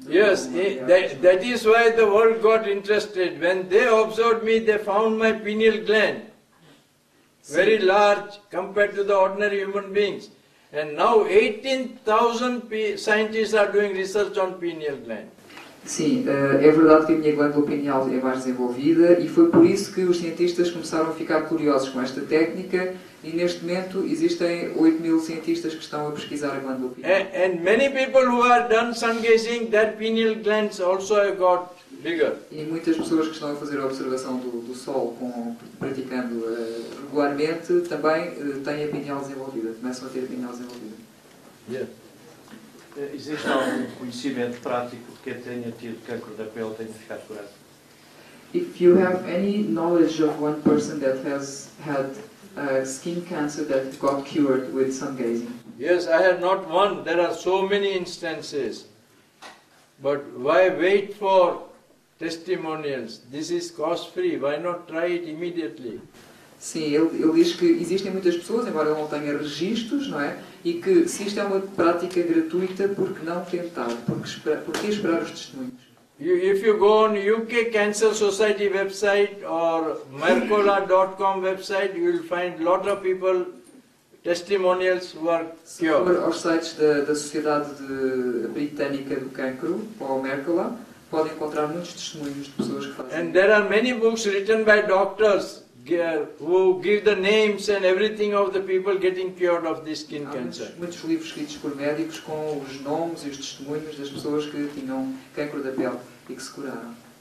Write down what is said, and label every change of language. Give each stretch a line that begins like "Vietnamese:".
English: Yes, that is why the world got interested. When they observed me, they found my pineal gland. Very large compared to the ordinary human beings. And now 18,000 scientists are doing research on pineal gland.
Portuguese: Sim, é verdade que a minha glândula pineal é mais desenvolvida e foi por isso que os cientistas começaram a ficar curiosos com esta técnica e neste momento existem 8 mil cientistas que estão a pesquisar a glândula pineal.
English: And many people who have done sun gazing, that pineal glands also have got bigger.
Portuguese: E muitas pessoas que estão a fazer a observação do sol praticando regularmente também têm a pineal desenvolvida, começam a ter a pineal desenvolvida.
English: Yeah.
Portuguese: Existe algum conhecimento prático de quem tenha tido câncer da pele tenha ficado curado?
English: If you have any knowledge of one person that has had skin cancer that got cured with sun gazing? Yes, I have not one. There are so many instances. But why wait for testimonials? This is cost-free. Why not try it immediately?
Portuguese: Sim, ele diz que existem muitas pessoas, embora ele não tenha registros, não é? E que se isto é uma prática gratuita, por que não tentar? Por que esperar os testemunhos?
English: If you go on UK Cancer Society website or mercola.com website, you will find lot of people testimonials who are cured.
Portuguese: Se for aos sites da Sociedade Britânica do Cancro, ou Mercola, pode encontrar muitos testemunhos de pessoas que fazem.
English: And there are many books written by doctors who give the names and everything of the people getting cured of this skin cancer.
Portuguese: Muitos livros escritos por médicos com os nomes e os testemunhos das pessoas que tinham câncer da pele e que se curaram.